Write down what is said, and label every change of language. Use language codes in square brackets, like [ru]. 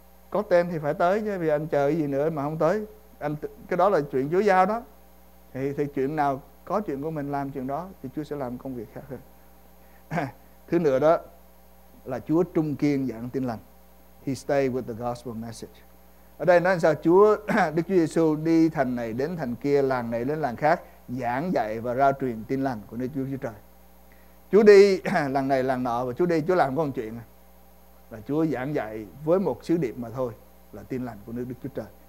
[vi] Có tên thì phải tới chứ, vì anh chờ cái gì nữa mà không tới. Anh, cái đó là chuyện Chúa giao đó. Thì chuyện nào có chuyện của mình làm chuyện đó, thì Chúa sẽ làm công việc khác hơn. Thứ nữa đó, là Chúa trung kiên giảng tin lành. [en] He stay with the gospel message. [vi] Ở đây nói sao? Chúa, Đức Chúa Giê-xu đi thành này đến thành kia, làng này đến làng khác, giảng dạy và rao truyền tin lành của Đức Chúa Giê-xu Trời. Chúa đi làng này làng nọ, và Chúa đi, Chúa làm có một chuyện, là Chúa giảng dạy với một sứ điệp mà thôi, là tin lành của nước Đức Chúa Trời.